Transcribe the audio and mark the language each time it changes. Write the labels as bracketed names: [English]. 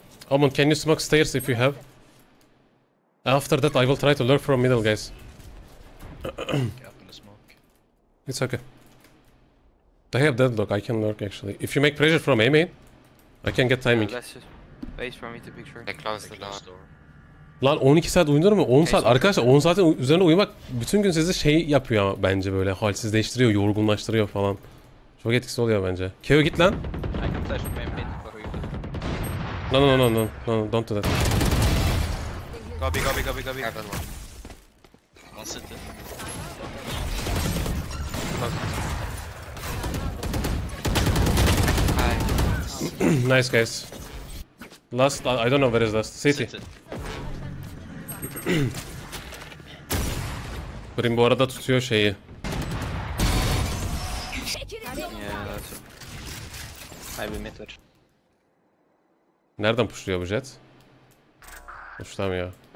[English] Omon, can you smoke stairs if you have? After that I will try to lure from middle guys. Smoke. It's okay. They have deadlock, I can lure actually. If you make pressure from A main, I can get timing. Yeah, wait for me to picture. They closed the door. [Turkish] Lan 12 saat uyunur mu? 10 saat. Arkadaşlar 10 saatin üzerine uyumak bütün gün sizi şey yapıyor ama bence böyle halsizleştiriyor, yorgunlaştırıyor falan. Çok etkisi oluyor bence. Keo git lan. [English] No, no, no, no, no, no, no, don't do that. Gobi, gobi, gobi, gobi. Nice guys. Last, I don't know where is last. City. [Turkish] Green bu arada tutuyor şeyi. Nereden pushluyor bu jet? Pushlamıyor.